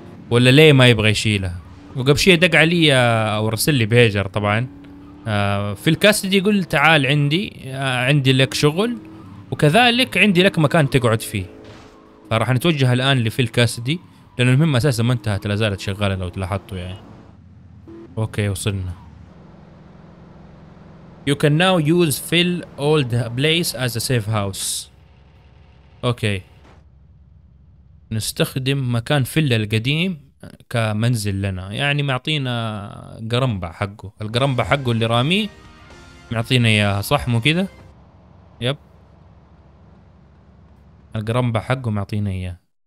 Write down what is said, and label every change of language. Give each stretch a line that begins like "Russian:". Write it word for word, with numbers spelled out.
Arabic: ولا ليه ما يبغى يشيلها؟ وقبل شيء دق علي أو رسل لي بيجر طبعا في الكاستدي، يقول تعال عندي، عندي لك شغل وكذلك عندي لك مكان تقعد فيه. فراح نتوجه الآن لفيل كاستدي لأنه المهمة أساساً ما انتهت، لازالت شغالة لو تلاحظتوا يعني. أوكي وصلنا.
English: You can now use Phil old place as a safe house.
Arabic: أوكي. نستخدم مكان فيل القديم كمنزل لنا، يعني معطينا قرنبع حقه، القرنبع حقه اللي راميه معطينا إياها صح مو كده؟ يب. القرنبع حقه معطينا إياه.